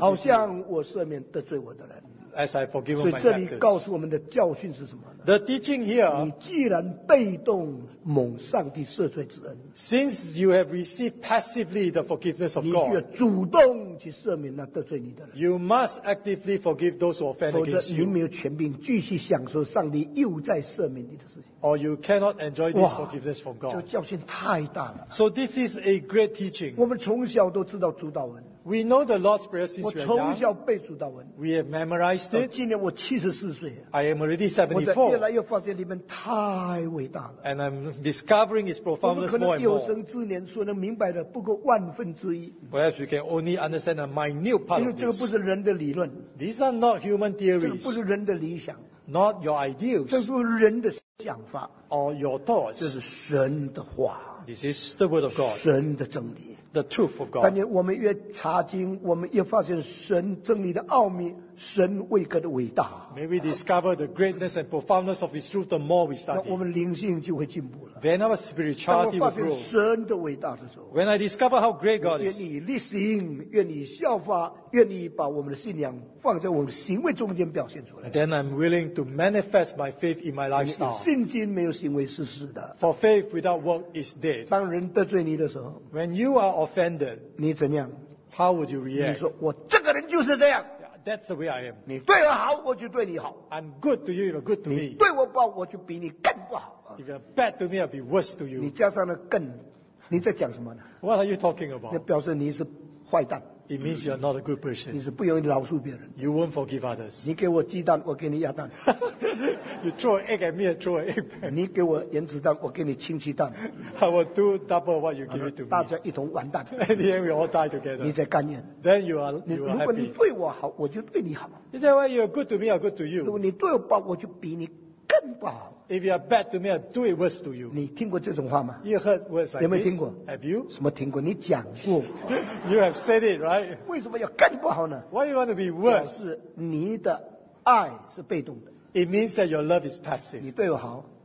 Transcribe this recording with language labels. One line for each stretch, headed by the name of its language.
Chinese: 好像我赦免得罪我的人。
English: as I forgive my
Chinese: 所以这里告诉我们的教训是什么呢？
English: The teaching here.
Chinese: 你既然被动蒙上帝赦罪之恩，
English: Since you have received passively the forgiveness of God.
Chinese: 你要主动去赦免那得罪你的人。
English: You must actively forgive those who offend against you.
Chinese: 否则你没有权柄继续享受上帝又在赦免你的事情。
English: Or you cannot enjoy this forgiveness from God.
Chinese: 这教训太大了。
English: So this is a great teaching.
Chinese: 我们从小都知道主导文。
English: We know the Lord's Prayer since we are young. We have memorized it. I am already 74. And I'm discovering its profoundness more and more. Perhaps we can only understand a minute part of this. These are not human theories. Not your ideals. Or your thoughts. This is the word of God. The truth of God.
Chinese: 但我们越查经, 我们越发现神真理的奥秘,
English: May we discover the greatness and profoundness of His truth the more we study.
Chinese: 那我们灵性就会进步了。
English: Then our spirituality will grow.
Chinese: 当我发现神的伟大的时候,
English: When I discover how great God is,
Chinese: 愿意立行, 愿意效法, 愿意把我们的信仰放在我们行为中间表现出来。
English: Then I'm willing to manifest my faith in my lifestyle.
Chinese: 信心没有行为是死的。
English: For faith without work is dead.
Chinese: 当人得罪你的时候,
English: When you are offended,
Chinese: 你怎样?
English: How would you react?
Chinese: 你说, 我这个人就是这样。
English: That's the way I am.
Chinese: 你对我好,
English: I'm good to you, you're good to me.
Chinese: 你对我不好,
English: if you're bad to me, I'll be worse to you.
Chinese: 你加上了更,
English: what are you talking about?
Chinese: 那表示你是坏蛋,
English: it means you're not a good person.
Chinese: 你是不容易饶恕别人,
English: you won't forgive others.
Chinese: 你给我鸡蛋, you
English: throw an egg at me, I throw an egg back.
Chinese: 你给我原子蛋,
English: I will do double what you give it to me.
Chinese: 大家一同完蛋,
English: in the end, we all die together.
Chinese: 你在甘愿,
English: then you are happy.
Chinese: 如果你对我好, 我就对你好。
English: He said, well, you're good to me, I'm good to you.
Chinese: 如果你对我不好, 我就比你更不好。
English: If you are bad to me, I'll do it worse to you.
Chinese: 你听过这种话吗?
English: You heard words like
Chinese: 有没有听过?
English: This? Have you?
Chinese: 什么听过?你讲过?
English: You have said it, right?
Chinese: 为什么要更不好呢?
English: Why do you want to be worse?
Chinese: 表示你的爱是被动的。
English: It means that your love is passive.
Chinese: 你对我好,